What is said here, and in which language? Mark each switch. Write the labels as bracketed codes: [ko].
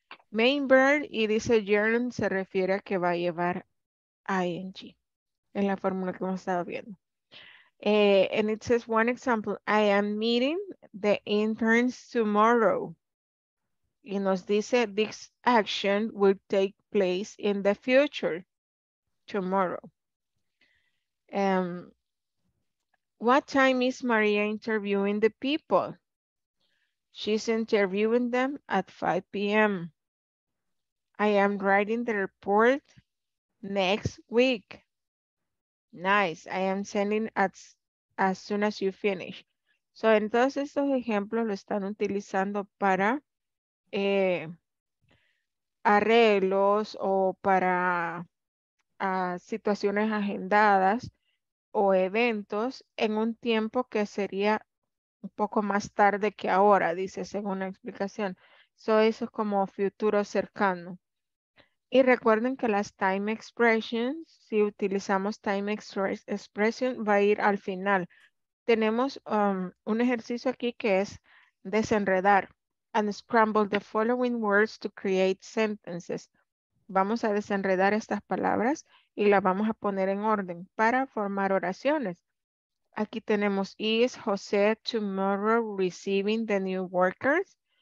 [es] Main verb y dice gerund se refiere a que va a llevar ING, en la fórmula que hemos estado viendo. [en] And it says one example, I am meeting the interns tomorrow. Y nos dice, this action will take place in the future, tomorrow. What time is Maria interviewing the people? She's interviewing them at 5 p.m. I am writing the report next week. Nice. I am sending as soon as you finish. [es] So, en todos estos ejemplos lo están utilizando para arreglos o para situaciones agendadas o eventos en un tiempo que sería un poco más tarde que ahora, dice según la explicación. So, eso es como futuro cercano. Y recuerden que las time expressions, si utilizamos time expression, va a ir al final. Tenemos un ejercicio aquí que es desenredar and scramble the following words to create sentences. Vamos a desenredar estas palabras y las vamos a poner en orden para formar oraciones. [en] Aquí tenemos, is Jose tomorrow receiving the new workers?